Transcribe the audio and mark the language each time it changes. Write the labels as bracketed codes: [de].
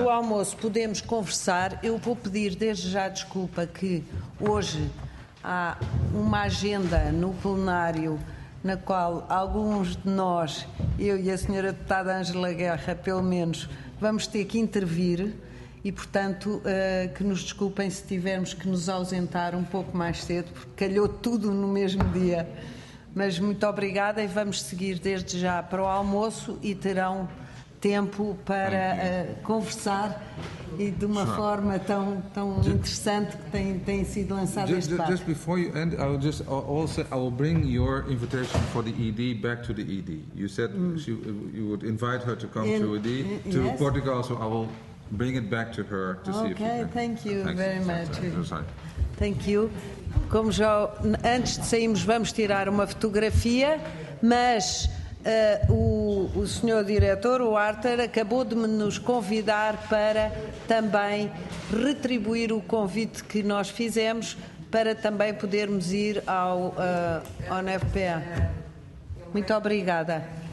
[pt] o almoço podemos conversar. Eu vou pedir desde já desculpa que hoje há uma agenda no plenário na qual alguns de nós, eu e a senhora deputada Ângela Guerra, pelo menos, vamos ter que intervir, e portanto que nos desculpem se tivermos que nos ausentar um pouco mais cedo, porque calhou tudo no mesmo dia. Mas muito obrigada, e vamos seguir desde já para o almoço, e terão tempo para conversar, e de uma forma tão interessante que tem sido lançado este debate. [en] Just before you end, I will bring your invitation for the ED back to the ED. You said you would invite her to come to ED, to yes. Portugal, so I will bring it back to her to okay, see if you can. Okay, thank you very much. Sorry. Thank you. [pt] Como já antes de sairmos, vamos tirar uma fotografia, mas o senhor diretor, o Arthur, acabou de nos convidar para também retribuir o convite que nós fizemos, para também podermos ir ao NFPA. Muito obrigada.